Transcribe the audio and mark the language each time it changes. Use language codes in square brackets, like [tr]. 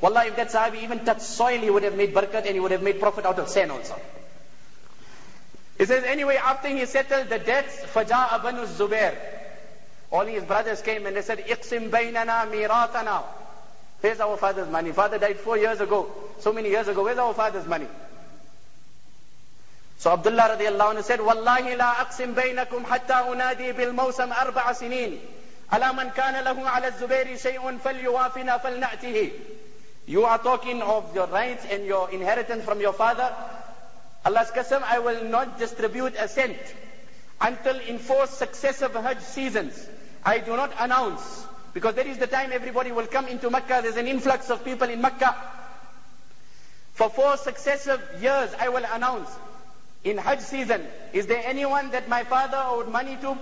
[en] Wallah, if that sahabi even touched soil, he would have made barakat and he would have made profit out of sand also. He says, anyway, after he settled the debts, [ar] فَجَاءَ بَنُ الزُّبَيْرِ. [en] All his brothers came and they said, [ar] اِقْسِمْ بَيْنَنَا مِيرَاتَنَا. [en] Where's our father's money? Father died 4 years ago. So many years ago. Where's our father's money? So Abdullah radiallahu anhu said, [ar] وَاللَّهِ لَا أَقْسِمْ بَيْنَكُمْ حَتَّى أُنَادِي بِالْمَوْسَمْ أَرْبَعَ سِنِينَ أَلَا مَنْ كَانَ لَهُ عَلَى الزُّبَيْرِ شَيْءٌ فَلْيُوَافِنَا فَلْنَأْتِهِ. [en] You are talking of your rights and your inheritance from your father. Allah's Qasam, I will not distribute a cent until in 4 successive Hajj seasons. I do not announce, because that is the time everybody will come into Mecca. There's an influx of people in Mecca. For 4 successive years, I will announce in Hajj season, is there anyone that my father owed money to?